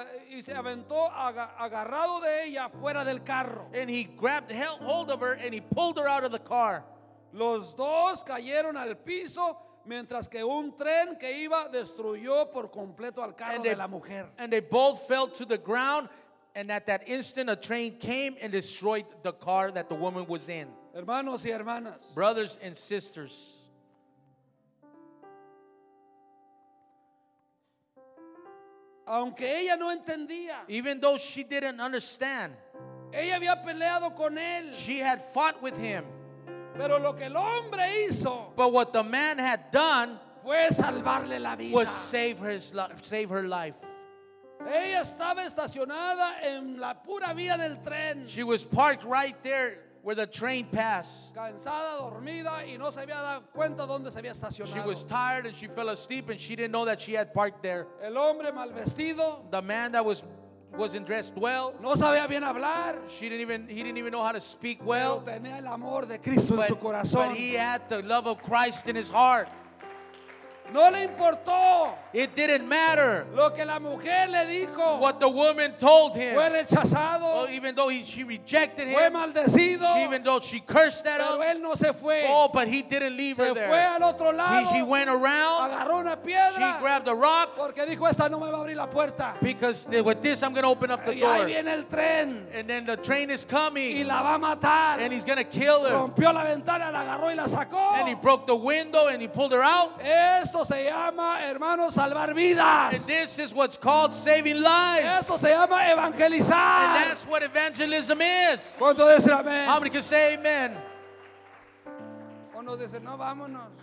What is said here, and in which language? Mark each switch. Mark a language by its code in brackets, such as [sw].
[es] Y se aventó agarrado de ella fuera del carro. [en] And he grabbed hold of her and he pulled her out of the car. [es] Los dos cayeron al piso. Mientras que un tren que iba destruyó por completo al carro de la mujer. [en] And they both fell to the ground, and at that instant a train came and destroyed the car that the woman was in. [es] Hermanos y hermanas. [en] Brothers and sisters. [es] Aunque ella no entendía. [en] Even though she didn't understand. [es] Ella había peleado con él. [en] She had fought with him. [es] Pero lo que el hombre hizo, [en] but what the man had done [es] fue salvarle la vida. [en] Was save her life. [es] Ella estaba estacionada en la pura vía del tren. [en] She was parked right there where the train passed. [es] Cansada, dormida, y no se había dado cuenta dónde se había estacionado. [en] She was tired and she fell asleep and she didn't know that she had parked there. [es] El hombre mal vestido, [en] the man that wasn't dressed well. [es] No sabía bien hablar. [en] He didn't even know how to speak well. [es] Pero tenía el amor de Cristo en su corazón. [en] But he had the love of Christ in his heart. [es] No le importó. [en] It didn't matter. [es] Lo que la mujer le dijo. [en] What the woman told him. [es] Fue rechazado. [en] Oh, even though she rejected him. [es] Fue maldecido. [en] Even though she cursed at him. [es] Él no se fue. [en] Oh, but he didn't leave [es] se [en] her there. [es] Fue al otro lado. [en] He went around. [es] Agarró una piedra. [en] She grabbed a rock. [es] Porque dijo, esta no me va a abrir la puerta. [en] Because with this I'm going to open up the [es] y [en] door. [es] Ahí viene el tren. [en] And then the train is coming. [es] Y la va a matar. [en] And he's going to kill her. [es] Rompió la ventana, la agarró y la sacó. [en] And he broke the window and he pulled her out. [es] Esto se llama, hermanos, salvar vidas. [en] And this is what's called saving lives. [es] Esto se llama evangelizar. [en] And that's what evangelism is. [es] ¿Cuánto dice amén? [en] How many can say amen? [es] Uno dice, no, vámonos.